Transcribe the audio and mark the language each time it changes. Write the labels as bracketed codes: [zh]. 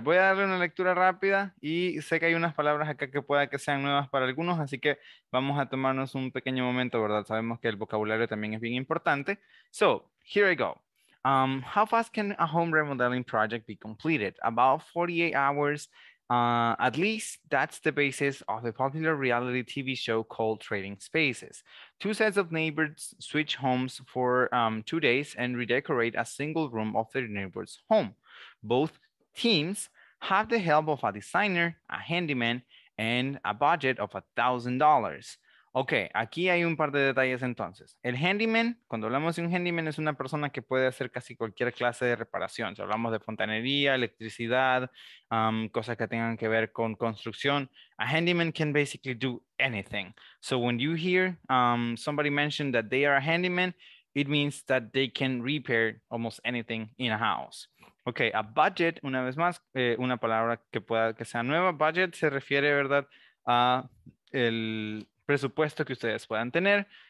[es] Voy a darle una lectura rápida y sé que hay unas palabras acá que pueda que sean nuevas para algunos, así que vamos a tomarnos un pequeño momento, ¿verdad? Sabemos que el vocabulario también es bien importante. [en] So, here I go. How fast can a home remodeling project be completed? About 48 hours. At least that's the basis of a popular reality TV show called Trading Spaces. Two sets of neighbors switch homes for 2 days and redecorate a single room of their neighbor's home. Both teams have the help of a designer, a handyman, and a budget of $1,000. [es] Okay, aquí hay un par de detalles entonces. El handyman, cuando hablamos de un handyman, es una persona que puede hacer casi cualquier clase de reparación. Si hablamos de fontanería, electricidad, cosas que tengan que ver con construcción. [en] A handyman can basically do anything. So when you hear somebody mention that they are a handyman, it means that they can repair almost anything in a house. [es] Okay, a budget, una vez más, una palabra que pueda que sea nueva. Budget se refiere, ¿verdad?, a el presupuesto que ustedes puedan tener.